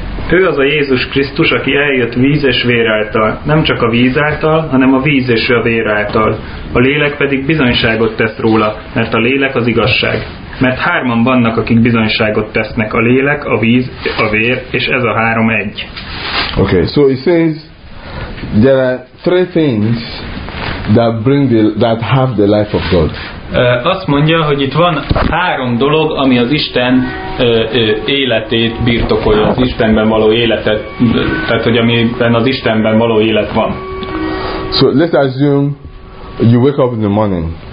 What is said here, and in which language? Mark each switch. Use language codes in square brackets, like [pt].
[hu] Ő az a Jézus Krisztus, aki eljött víz és vér által, nem csak a víz által, hanem a víz és a vér által. A lélek pedig bizonyságot tesz róla, mert a lélek az igazság. Mert hárman vannak, akik bizonyságot tesznek, a lélek, a víz, a vér, és ez a három egy. [en] Okay, so it says there are three things that bring the that have the life of God. [hu] Azt mondja, hogy itt van három dolog, ami az Isten életét birtokolja, az Istenben való életet, tehát hogy amiben az Istenben való élet van. [en] So let's assume you wake up in the morning.